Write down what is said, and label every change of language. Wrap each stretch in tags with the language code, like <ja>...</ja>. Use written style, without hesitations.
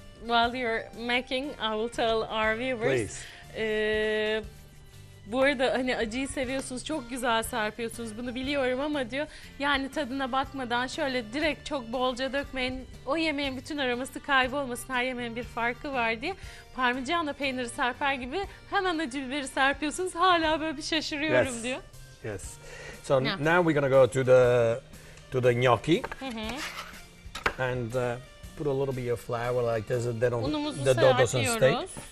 <en>While you're making, I will tell our viewers. Please.</en> <tr>Bu arada hani acıyı seviyorsunuz, çok güzel serpiyorsunuz, bunu biliyorum ama diyor yani tadına bakmadan şöyle direkt çok bolca dökmeyin, o yemeğin bütün aroması kaybolmasın, her yemeğin bir farkı var diye. Parmigiana peyniri serper gibi hemen acı biberi serpiyorsunuz, hala böyle bir şaşırıyorum</tr> <en>yes.</en> <tr>diyor.</tr> <en>Yes, so now we're gonna go to the gnocchi and put a little bit of flour like this, the dough doesn't stick.</en>